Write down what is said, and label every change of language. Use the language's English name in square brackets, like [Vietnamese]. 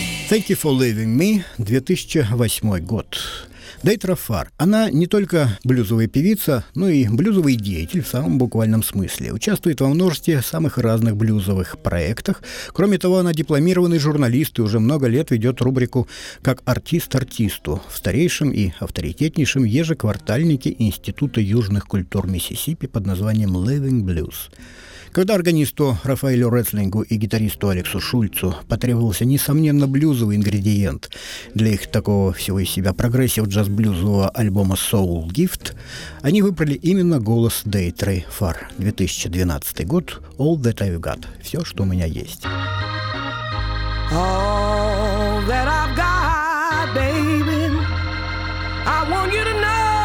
[Russian] «Thank you for leaving me» 2008 год. Дейтра Фар. Она не только блюзовая певица, но и блюзовый деятель в самом буквальном смысле. Участвует во множестве самых разных блюзовых проектах. Кроме того, она дипломированный журналист и уже много лет ведет рубрику «Как артист артисту» в старейшем и авторитетнейшем ежеквартальнике Института южных культур Миссисипи под названием «Living Blues». Когда органисту Рафаэлю Ретлингу и гитаристу Алексу Шульцу потребовался, несомненно, блюзовый ингредиент для их такого всего из себя прогрессив джаз-блюзового альбома «Soul Gift», они выбрали именно голос Дейтры Фар. 2012 год. «All that I've got» – «Все, что у меня есть». [English] All that I've got, baby, I want you to know.